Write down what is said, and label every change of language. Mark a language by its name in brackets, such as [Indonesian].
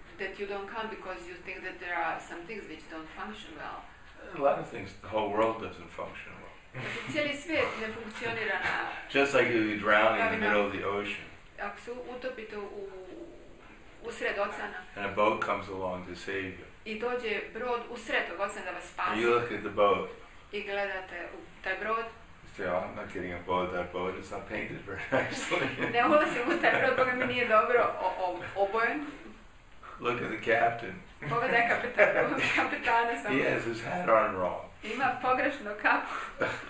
[English] that you don't come because you think that there are some things which don't function well. A lot of things. The whole world doesn't function well. [Croatian] Cijeli svijet ne funkcionira na... [English] Just like you'd be drowning in the middle of the ocean. [Croatian] Ako se utopite u... usred oceana. [English] And a boat comes along to save you. [Croatian] I dođe brod usred tog oceana da vas spasi. [English] And you look at the boat. [Croatian] I gledate u taj brod. [English] Say, oh, I'm not getting a boat. That boat is not painted very nicely. [Croatian] Ne ulazim u taj brod, koga mi nije dobro obojen. [English] Look at the captain. [Croatian] Pogledaj kapitana. [English] He has his hat on wrong. [Croatian] Ima pogrešnu kapu.